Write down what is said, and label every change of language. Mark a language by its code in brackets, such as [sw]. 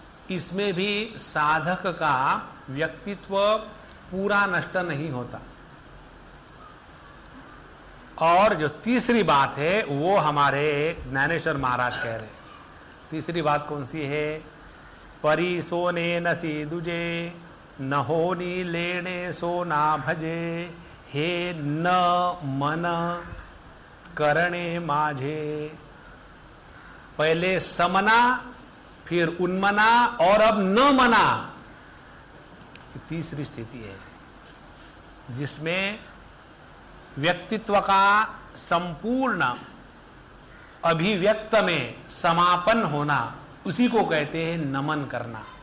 [hi] इसमें भी साधक का व्यक्तित्व पूरा नष्ट नहीं होता। और जो तीसरी बात है वो हमारे ज्ञानेश्वर महाराज कह रहे तीसरी बात कौन सी है [mr] परी सोने नसी दुजे नहोनी लेणे सोना भजे, हे न मन करणे माझे। [hi] पहले समना, फिर उन्मना और अब न मना, तीसरी स्थिति है जिसमें व्यक्तित्व का संपूर्ण अभिव्यक्त में समापन होना, उसी को कहते हैं नमन करना।